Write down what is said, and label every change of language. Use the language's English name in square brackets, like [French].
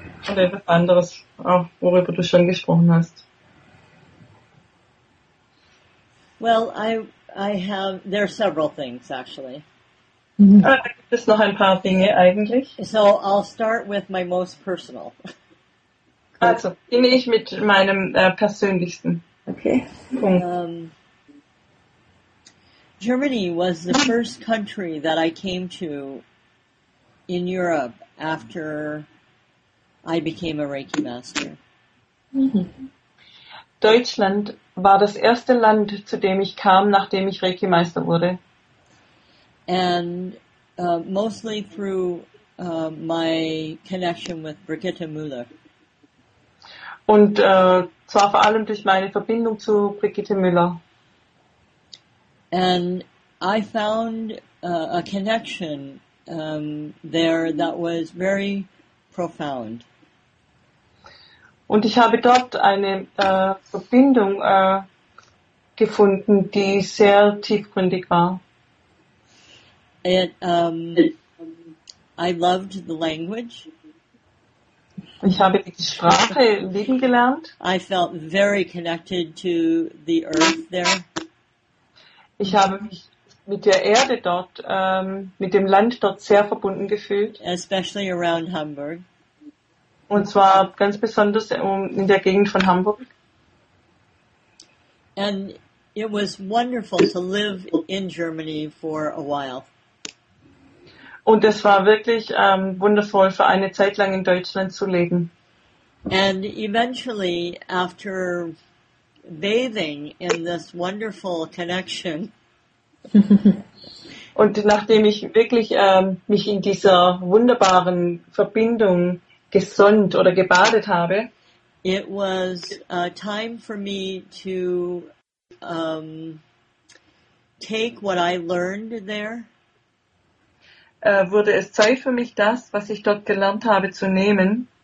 [German] Oder etwas anderes, auch worüber du schon gesprochen hast. [English] Well, I have, there are several things, actually. [German] Gibt es noch ein paar Dinge, eigentlich? [English] So, I'll start with my most personal. [German] Also, beginne ich mit meinem persönlichsten. [English] Okay. [German] Punkt. [English] Germany was the first country that I came to in Europe after I became a Reiki master. [German] Deutschland war das erste Land, zu dem ich kam, nachdem ich Reiki Meister wurde. [English] And mostly through my connection with Brigitte Müller. [German] Und zwar vor allem durch meine Verbindung zu Brigitte Müller. [English] And I found a connection there that was very profound. [German] Und ich habe dort eine Verbindung gefunden, die sehr tiefgründig war. [English] I loved the language. [German] Ich habe die Sprache lieben gelernt. [English] I felt very connected to the earth there. [German] Ich habe mich mit der Erde dort, mit dem Land dort sehr verbunden gefühlt. [English] Especially around Hamburg. [German] Und zwar ganz besonders in der Gegend von Hamburg. [English] And it was wonderful to live in Germany for a while. [German] Und es war wirklich wundervoll, für eine Zeit lang in Deutschland zu leben. [English] And eventually, after bathing in this wonderful connection. [German] Und nachdem ich wirklich mich in dieser wunderbaren Verbindung gesonnt oder gebadet habe, [English] it was time for me to take what I learned there. [German] Wurde es Zeit für mich, das, was ich dort gelernt habe, zu nehmen.